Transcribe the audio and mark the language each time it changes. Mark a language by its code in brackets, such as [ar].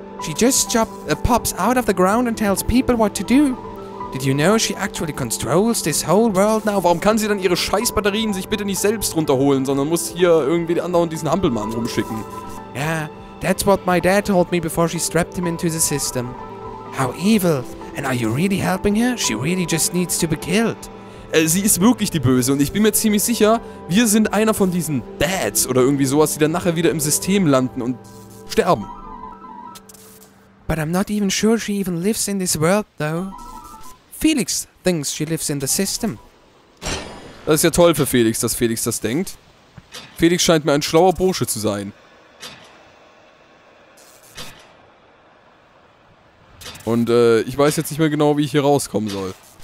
[en] She just pops out of the ground and tells people what to do. Did you know she actually controls this whole world now? [de] Warum kann sie dann ihre Scheißbatterien sich bitte nicht selbst runterholen, sondern muss hier irgendwie die anderen und diesen Hampelmann rumschicken? [en] Yeah, that's what my dad told me before she strapped him into the system. How evil. And are you really helping her? She really just needs to be killed. [de] Sie ist wirklich die Böse und ich bin mir ziemlich sicher, wir sind einer von diesen Dads oder irgendwie sowas, die dann nachher wieder im System landen und sterben. [en] But I'm not even sure she even lives in this world though. Felix thinks she lives in the system. [de] Das ist ja toll für Felix, dass Felix das denkt. Felix scheint mir ein schlauer Bursche zu sein. Und ich weiß jetzt nicht mehr genau, wie ich hier rauskommen soll.